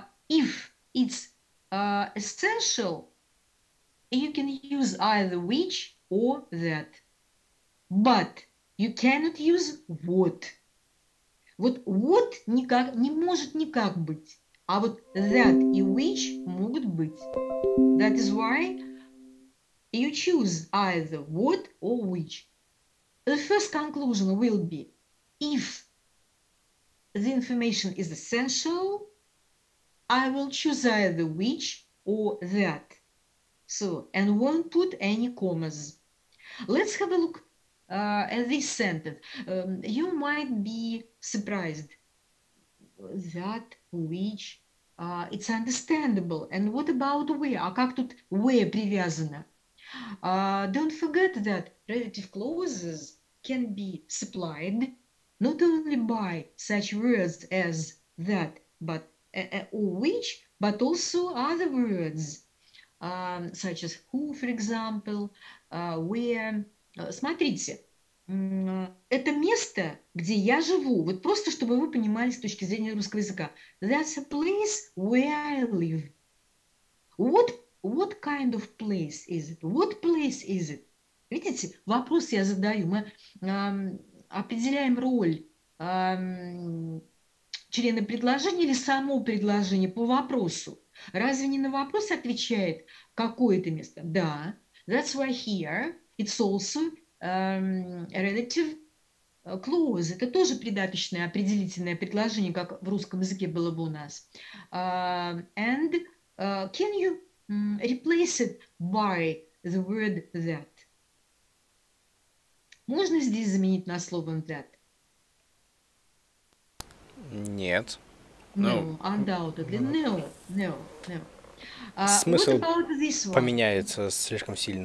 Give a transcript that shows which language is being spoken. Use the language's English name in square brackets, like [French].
[English] If it's essential, you can use either which or that. But you cannot use what. [Russian] Вот what никак не может никак быть. А вот that и which могут быть. [English] That is why you choose either what or which. The first conclusion will be if the information is essential, I will choose either which or that. So, and won't put any commas. Let's have a look at this sentence. You might be surprised. That, which, it's understandable. And what about where? [Russian] А как тут where привязано? [English] Don't forget that relative clauses can be supplied not only by such words as that, but or which, but also other words, such as who, for example, where. [Russian] Смотрите, это место, где я живу. Вот просто, чтобы вы понимали с точки зрения русского языка. [English] That's a place where I live. What kind of place is it? What place is it? [Russian] Видите, вопрос я задаю. Мы определяем роль члена предложения или само предложение по вопросу. Разве не на вопрос отвечает, какое это место? [English] Да. That's why here it's also relative clause. [Russian] Это тоже придаточное определительное предложение, как в русском языке было бы у нас. [English] And can you replace it by the word that? [Russian] Можно здесь заменить на словом that? Нет. [English] No, undoubtedly. No, no, no. [Russian] Смысл [English] what about this one? [Russian] поменяется слишком сильно.